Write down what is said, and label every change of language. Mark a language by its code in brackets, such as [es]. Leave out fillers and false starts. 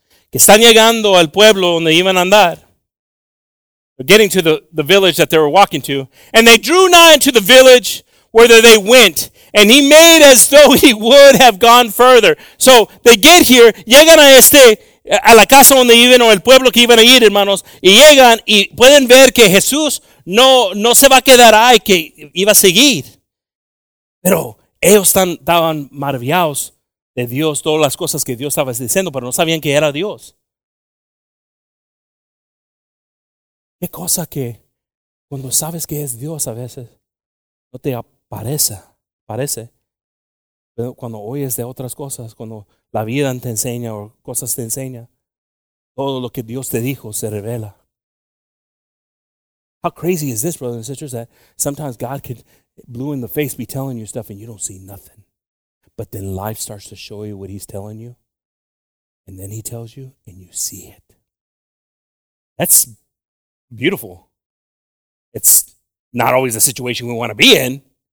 [es] Que están llegando al pueblo donde iban a andar. [en] They're getting to the village that they were walking to. And they drew nigh into the village where they went. And he made as though he would have gone further. So they get here, [es] llegan a este, a la casa donde iban, o el pueblo que iban a ir, hermanos. Y llegan y pueden ver que Jesús no se va a quedar ahí, que iba a seguir. Pero ellos estaban maravillados de Dios, todas las cosas que Dios estaba diciendo, pero no sabían que era Dios. Qué cosa que cuando sabes que es Dios a veces no te aparece. Pero cuando oyes de otras cosas, cuando la vida te enseña o cosas te enseña, todo lo que Dios te dijo se revela. [en] How crazy is this, brothers and sisters, that sometimes God could, blue in the face, be telling you stuff and you don't see nothing. But then life starts to show you what he's telling you. And then he tells you and you see it. That's beautiful. It's not always the situation we want to be in.